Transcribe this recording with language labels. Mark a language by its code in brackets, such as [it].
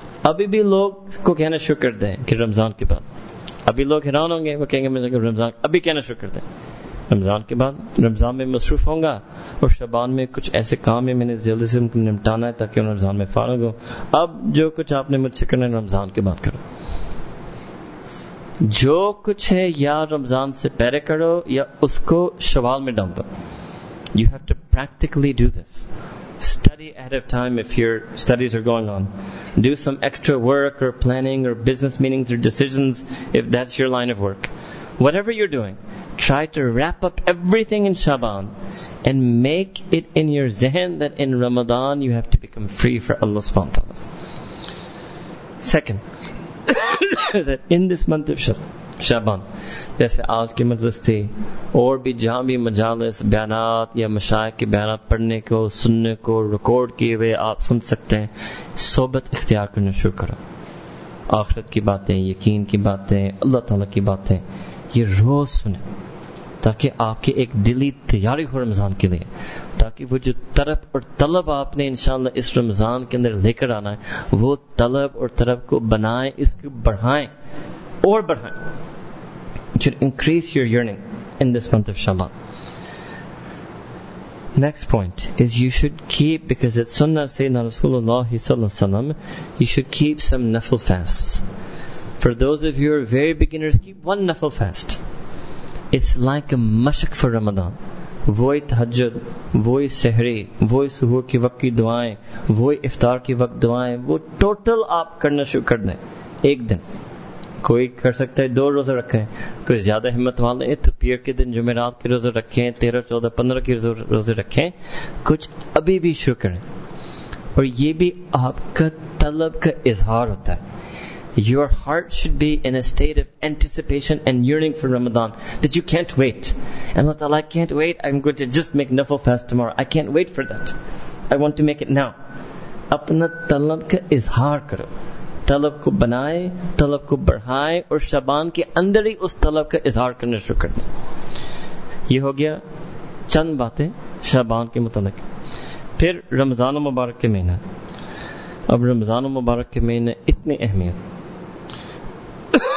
[ur] ابھی بھی لوگ کو کہنا شروع کر دیں کہ رمضان کے بعد ابھی لوگ حیران ہوں گے وہ کہیں گے مجھے رمضان ابھی کہنا شروع کر دیں رمضان کے بعد رمضان میں مصروف ہوں گا اور شعبان میں کچھ ایسے کام ہیں میں نے جلدی سے ان کو نمٹانا ہے تاکہ رمضان میں فارغ ہو اب جو کچھ آپ نے مجھ سے کرنا ہے رمضان کے بعد کرو جو کچھ ہے یا رمضان سے پہلے کرو یا اس کو شوال میں ڈال دو [en] You have to practically do this Study ahead of time if your studies are going on. Do some extra work or planning or business meetings or decisions if that's your line of work. Whatever you're doing, try to wrap up everything in Shaban and make it in your zehen that in Ramadan you have to become free for Allah subhanahu wa ta'ala. Second, that in this month of Shaban, [ur] جیسے آج کی مجلس تھی اور بھی جہاں بھی مجالس بیانات یا مشائخ کے بیانات پڑھنے کو سننے کو ریکارڈ کیے ہوئے آپ سن سکتے ہیں صحبت اختیار کرنا شروع کرو آخرت کی باتیں یقین کی باتیں اللہ تعالیٰ کی باتیں یہ روز سنیں تاکہ آپ کی ایک دلی تیاری ہو رمضان کے لیے تاکہ وہ جو طرف اور طلب آپ نے انشاءاللہ اس رمضان کے اندر لے کر آنا ہے وہ طلب اور طرف کو بنائیں اس کو بڑھائیں اور بڑھائیں [en] It should increase your yearning in this month of Shaban. Next point is you should keep, because it's Sunnah of Sayyidina Rasulullah sallallahu alaihi wasallam, you should keep some nafil fasts. For those of you who are very beginners, keep one nafil fast. It's like a mashak for Ramadan. [ur] وہی تہجد وہی سحری وہی سحور کی وقت کی دعائیں وہی افطار کی وقت دعائیں وہ ٹوٹل آپ کرنا شروع کر دیں ایک دن کوئی کر سکتا ہے دو روزے رکھیں کوئی زیادہ ہمت والے ہیں تو پیر کے دن جمعرات کے روزے رکھیں 13, 14, 15 کے روزے رکھیں کچھ ابھی بھی شروع کریں اور یہ بھی آپ کا طلب کا اظہار ہوتا ہے [en] Your heart should be in a state of anticipation and yearning for Ramadan that you can't wait. And Allah Ta'ala, I can't wait. I'm going to just make nafil fast tomorrow. I can't wait for that. I want to make it now. [ur] اپنا طلب کا اظہار کرو طلب کو بنائیں طلب کو بڑھائیں اور شعبان کے اندر ہی اس طلب کا اظہار کرنا شروع کر دیں یہ ہو گیا چند باتیں شعبان کے متعلق پھر رمضان مبارک کے مہینہ اب رمضان مبارک کے مہینہ اتنی اہمیت